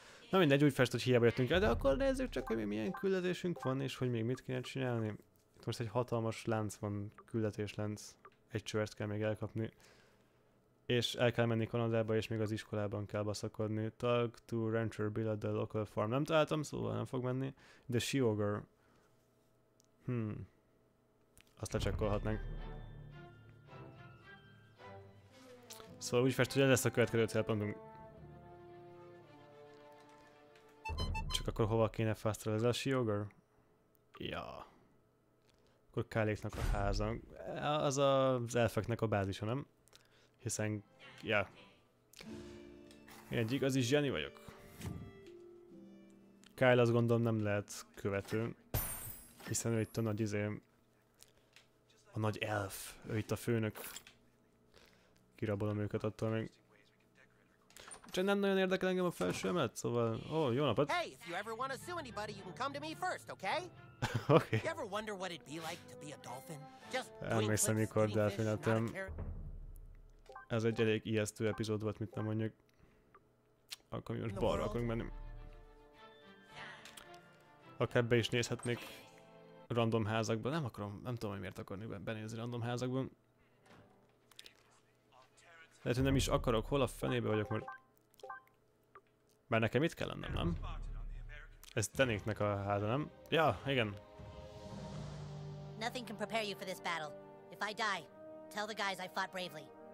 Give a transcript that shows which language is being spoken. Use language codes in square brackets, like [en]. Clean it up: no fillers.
[hu] Na mindegy, úgy fest, hogy hiába jöttünk el, de akkor nézzük csak, hogy mi milyen küldetésünk van, és hogy még mit kéne csinálni. Itt most egy hatalmas lánc van, küldetéslánc. Egy csövert kell még elkapni. És el kell menni Kanadába, és még az iskolában kell baszakodni. [en] Talk to Rancher Bill at the local farm. [hu] Nem találtam, szóval nem fog menni. The Sheogre. Azt lecsekkolhatnánk. Szóval úgy fest, hogy ez lesz a következő célpontunk. Akkor hova kéne fasztrál ez a Sheogre? Ja. Akkor Kaléknak a háza. Az az elfeknek a bázisa, nem? Hiszen... ja. Én egy igazi zseni vagyok. Kyle azt gondolom nem lehet követő. Hiszen ő itt a nagy izé... a nagy elf. Ő itt a főnök. Kirabolom őket attól még. Csak nem nagyon érdekel engem a felső emelet, szóval... Ó, jó napot! [en] Hey, if you ever want to sue anybody, you can come to me first, okay? Okay. You ever wonder what it'd be like to be a dolphin? [hu] Just emlékszem, mikor delfinetem. Ez egy elég ijesztő epizód volt, mit nem mondjuk. Akkor mi most balra akarunk menni. Akár be is nézhetnék random házakban. Nem akarom, nem tudom, hogy miért akarnék benézni random házakban. Lehet, hogy nem is akarok, hol a fenébe vagyok most. Már nekem itt kell lennem, nem? Ez Tenéknek a háza, nem? Ja, igen. [en] Nothing can prepare you for this battle. If I die, tell the guys I fought bravely.